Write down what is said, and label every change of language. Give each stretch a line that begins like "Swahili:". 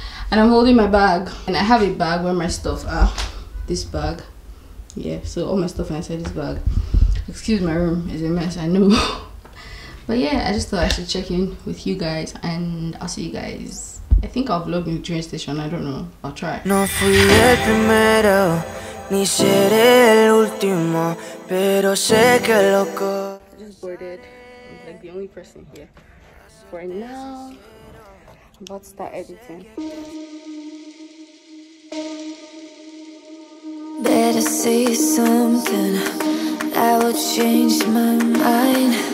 English: And I'm holding my bag, and I have a bag where my stuff are. This bag, yeah, so all my stuff inside this bag. Excuse my room, it's a mess, I know. But yeah, I just thought I should check in with you guys, and I'll see you guys. I think I'll vlog in the train station, I don't know, I'll try.
Spanish: No fui el primero, ni seré el último, pero sé que loco.
English: I just boarded, I'm like the only person here for now. I'm about to start editing. Better say something that will change my mind.